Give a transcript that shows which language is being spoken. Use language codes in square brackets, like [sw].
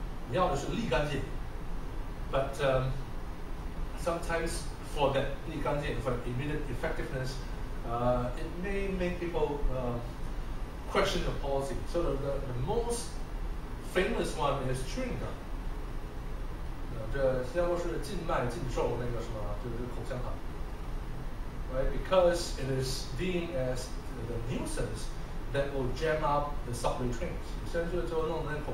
[zh] 你要的是立竿见。 [en] But sometimes for that 立竿见, for the immediate effectiveness, it may make people question the policy. So the most famous one is chewing gum. [zh] 这新加坡是禁卖禁售那个什么，就是口香糖。 [en] Right, because it is deemed as the nuisance that will jam up the subway trains.